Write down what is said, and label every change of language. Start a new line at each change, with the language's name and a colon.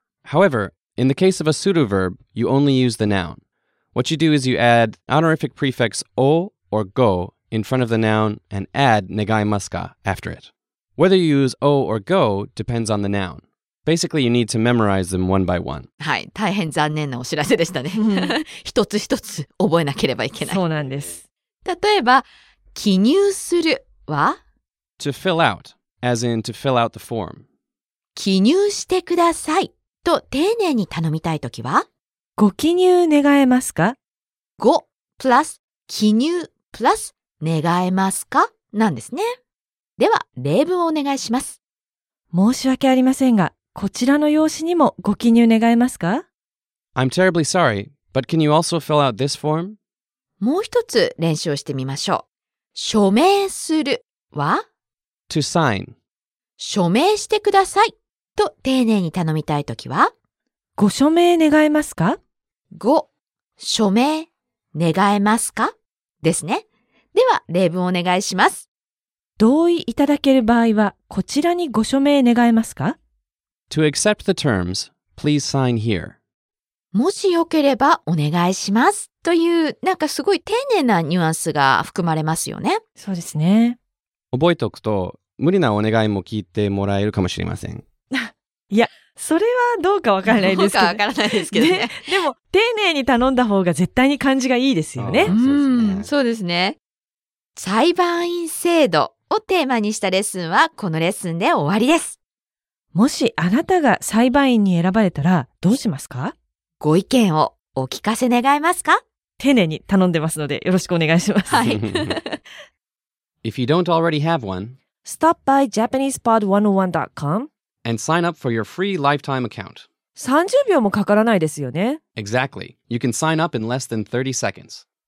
English: However, in the case of a pseudo-verb, you only use the noun. What you do is you add honorific prefix o or go in front of the noun and add 願いますか after it. Whether you use o or go depends on the noun. Basically, you need to memorize them one by one.
Japanese: はい、大変残念なお知らせでしたね。一つ一つ覚えなければいけない。そうなんです。例えば、記入するは?
English: To fill out, as in to fill out the form.
Japanese: 記入してくださいと丁寧に頼みたいときは? ご記入願えますか? ご plus 記入 plus 願えますか?なんですね。では、例文をお願いします。申し訳ありませんが、こちらの用紙にもご記入願えますか?
English: I'm terribly sorry, but can you also fill out this form?
Japanese: もう一つ練習をしてみましょう。署名するは
English: To sign.
Japanese: 署名してくださいと丁寧に頼みたいときはご署名願えますか? ご署名願えますか?ですね。では例文をお願いします。同意いただける場合はこちらにご署名願えますか?
English: To accept the terms, please sign here.
Japanese: もしよければお願いしますというなんかすごい丁寧なニュアンスが含まれますよね。そうですね。覚えておくと無理なお願いも聞いてもらえるかもしれません。いや、それはどうかわからないですけど。どうかわからないですけどね。でも丁寧に頼んだ方が絶対に感じがいいですよね。そうですね。裁判員制度をテーマにしたレッスンはこのレッスンで終わりです。もしあなたが裁判員に選ばれたらどうしますか? ご意見をお聞かせ願えますか? 丁寧に頼んでますのでよろしくお願いします。はい。
English: If you don't already have one, stop by JapanesePod101.com and sign up for your free lifetime account.
Japanese: 30秒もかからないですよね。
English: Exactly. You can sign up in less than 30 seconds.